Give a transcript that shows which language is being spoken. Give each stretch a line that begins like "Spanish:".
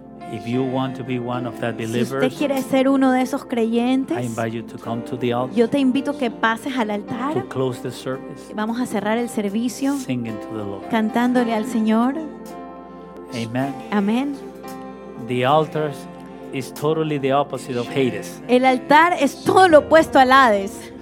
English: If you want to be one of that believers,
Spanish: si usted quiere ser uno de esos creyentes,
English: I invite you to come to the altar,
Spanish: yo te invito a que pases al altar.
English: To close the service,
Spanish: vamos a cerrar el servicio
English: singing to the Lord,
Spanish: cantándole al Señor.
English: Amen. Amen. The altar is totally the opposite of Hades.
Spanish: El altar es todo lo opuesto al Hades.